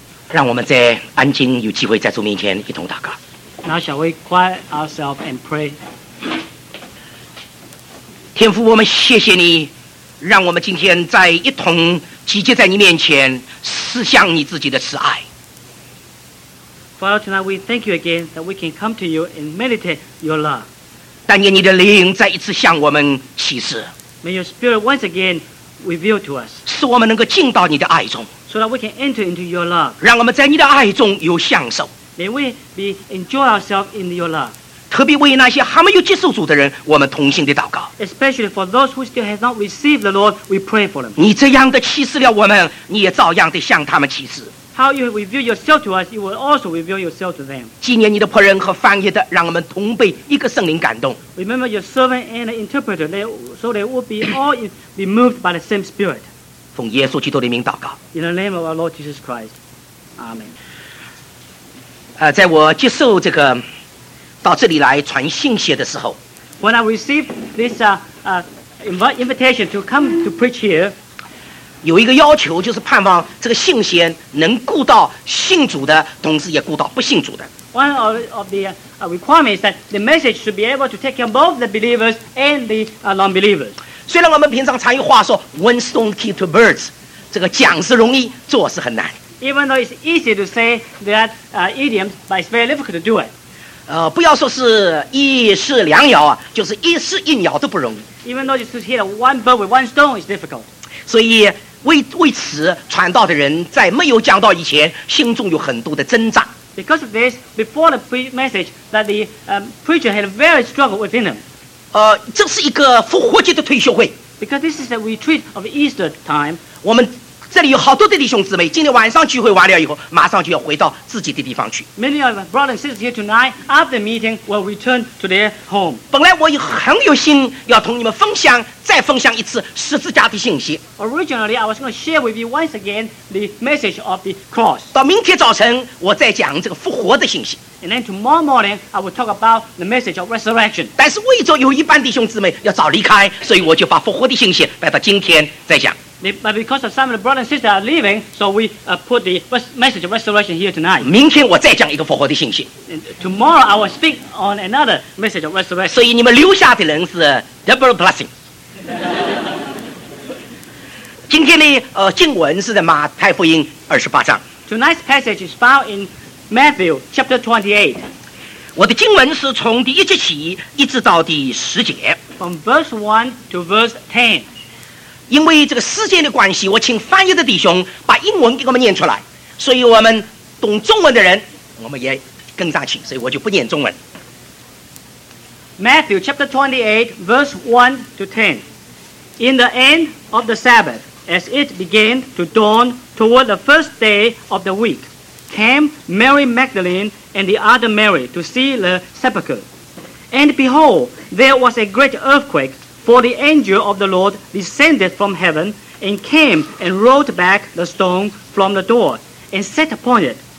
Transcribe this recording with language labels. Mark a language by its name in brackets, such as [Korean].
[Chinese] 让我们在安静有机会在主面前一同祷告。 [English] Now shall we quiet ourselves and pray? [Chinese] 天父，我们谢谢你，让我们今天在一同集结在你面前，思想你自己的慈爱。 [English] Father, tonight we thank you again that we can come to you and meditate your love. [Chinese] 但愿你的灵再一次向我们启示。 [English] May your spirit once again reveal to us. [Chinese] 使我们能够进到你的爱中。 [English] So that we can enter into your love. [Chinese] 让我们在你的爱中有享受。 [English] May we be enjoy ourselves in your love. [Chinese] 特别为那些还没有接受主的人，我们同心的祷告。 [English] Especially for those who still have not received the Lord, we pray for them. [Chinese] 你这样的启示了我们，你也照样的向他们启示。 [English] How you reveal yourself to us, you will also reveal yourself to them. [Chinese] 纪念你的仆人和翻译的，让我们同被一个圣灵感动。 [English] Remember your servant and the interpreter, so they will be all be moved by the same spirit. [Chinese] 奉耶稣基督的名祷告。 [English] In the name of our Lord Jesus Christ, Amen. [Chinese] 在我接受这个到这里来传信息的时候 [English] ，When I received this invitation to come to preach here. [Chinese] 有一个要求，就是盼望这个信息能顾到信主的，同时也顾到不信主的。 [English] One of the requirements that the message should be able to take care of both the believers and the non-believers. [Chinese] 虽然我们平常常有话说 [English] "One stone key to birds"， [Chinese] 这个讲是容易，做是很难。 [English] Even though it's easy to say that idioms, but it's very difficult to do it. [Chinese] 不要说是一石两鸟啊，就是一石一鸟都不容易。 [English] Even though it's to hit one bird with one stone, it's difficult. [Chinese] 所以 为此传道的人在没有讲道以前心中有很多的挣扎。 [English] Because of this, before the message that the preacher had a very struggle within him. [Chinese] 这是一个复活节的退休会。 [English] Because this is a retreat of Easter time. [Chinese] 我们这里有好多的弟兄姊妹，今天晚上聚会完了以后马上就要回到自己的地方去。 [English] Many of my brothers and sisters here tonight after the meeting will return to their home. [Chinese] 本来我也很有心要同你们分享再分享一次十字架的信息。 [English] Originally, I was going to share with you once again the message of the cross. [Chinese] 到明天早晨我再讲这个复活的信息。 [English] And then tomorrow morning, I will talk about the message of resurrection. [Chinese] 但是为着有一半弟兄姊妹要早离开，所以我就把复活的信息摆到今天再讲。 [English] But because of some of the brothers and sisters are leaving, so we put the message of resurrection here tonight. [Chinese] 明天我再讲一个复活的信息。 [English] Tomorrow I will speak on another message of resurrection. [Chinese] 所以你们留下的人是 [English] double blessing. [Chinese] 今天的经文是在马太福音二十八章。 [English] Tonight's passage is found in Matthew chapter 28. [Chinese] 我的经文是从第一节起一直到第十节。 [English] From verse 1 to verse 10. [Chinese] 因为这个时间的关系，我请翻译的弟兄把英文给我们念出来，所以我们懂中文的人我们也跟上去，所以我就不念中文。 [English] Matthew chapter 28 verse 1 to 10. In the end of the Sabbath, as it began to dawn toward the first day of the week, came Mary Magdalene and the other Mary to see the sepulchre. And behold, there was a great earthquakeFor the angel of the Lord descended from heaven and came and rolled back the stone from the door and sat upon it.